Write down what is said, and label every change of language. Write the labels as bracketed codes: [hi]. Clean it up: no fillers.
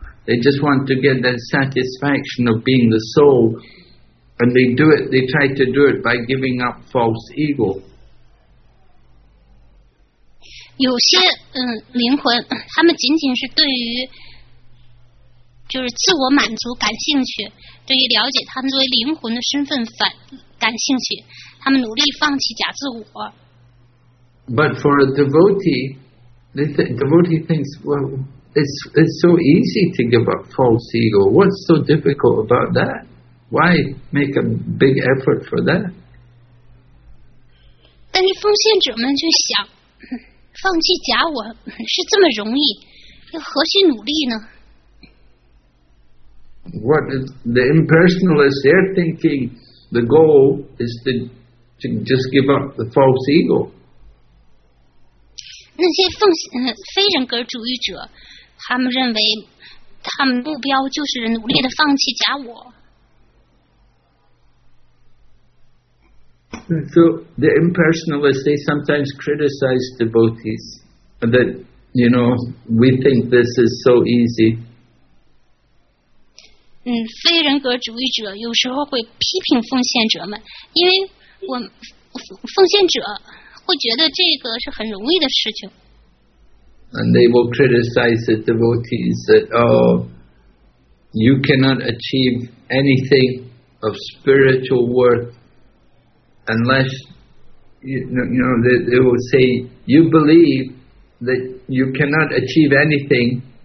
[en] They just want to get that satisfaction of being the soul, and they do it. They try to do it by giving up false ego. [zh] 有些灵魂，他们仅仅是对于。就是自我满足感兴趣，对于了解他们作为灵魂的身份反感兴趣，他们努力放弃假自我。 [en] But for a devotee, the devotee thinks, well, it's so easy to give up false ego. What's so difficult about that? Why make a big effort for that? [zh] 但是奉献者们就想，放弃假我是这么容易，又何须努力呢？ [en] What is the impersonalists, they're thinking the goal is to just give up the false ego. [zh] 那些非人格主义者，他们认为他们目标就是努力的放弃假我。 [en] So the impersonalists, they sometimes criticize devotees that, you know, we think this is so easy. [zh] 非人格主义者有时候会批评奉献者们，因为我奉献者会觉得这个是很容易的事情。 [en] And they will criticize the devotees that, oh, you cannot achieve anything of spiritual worth unless, you know, they will say, you believe that you cannot achieve anything.